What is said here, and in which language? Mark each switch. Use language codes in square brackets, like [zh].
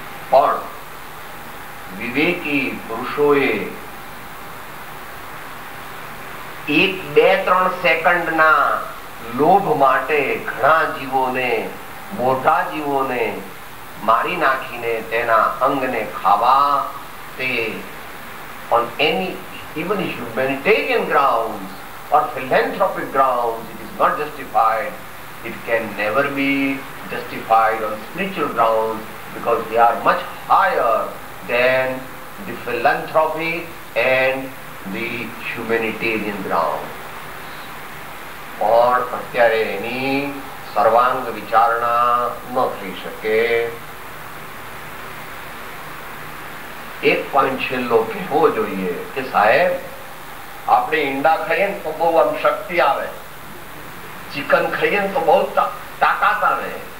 [gu] પણ વિવેકી પુરુષોએ 1-2-3 સેકન્ડ ના લોભ માટે ઘણા જીવોને, મોટા જીવોને મારી નાખીને તેના અંગને ખાવા, તે [en] On any even humanitarian ground or philanthropic grounds, it is not justified. It can never be justified on spiritual grounds because they are much higher than the philanthropy and the humanitarian grounds. [gu] Or અત્યારે એની સર્વાંગ વિચારણા ન થઈ શકે. એક point છેલ્લો કહેવો જોઈએ કે સાહેબ આપણે ઈંડા ખાઈએ ને તો બહુ આમ શક્તિ આવે, ચિકન ખાઈએ ને તો બહુ તાકાત આવે.